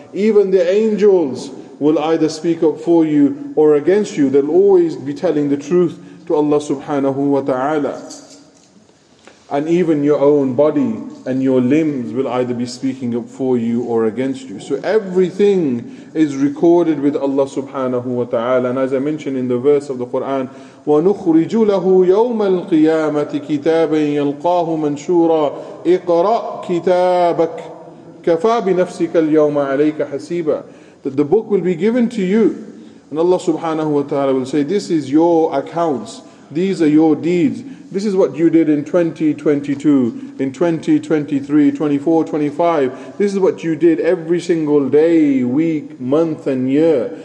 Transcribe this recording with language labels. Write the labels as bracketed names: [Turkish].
[English] Even the angels will either speak up for you or against you. They'll always be telling the truth to Allah subhanahu wa ta'ala. And even your own body and your limbs will either be speaking up for you or against you. So everything is recorded with Allah subhanahu wa ta'ala. And as I mentioned in the verse of the Qur'an, [Arabic] وَنُخْرِجُ لَهُ يَوْمَ الْقِيَامَةِ كِتَابًا يَلْقَاهُ مَنْشُورًا اِقْرَأْ كِتَابَكَ كَفَى بِنَفْسِكَ الْيَوْمَ عَلَيْكَ حَسِيبًا. [English] That the book will be given to you. And Allah subhanahu wa ta'ala will say, this is your accounts. These are your deeds. This is what you did in 2022, in 2023, 24, 25. This is what you did every single day, week, month and year.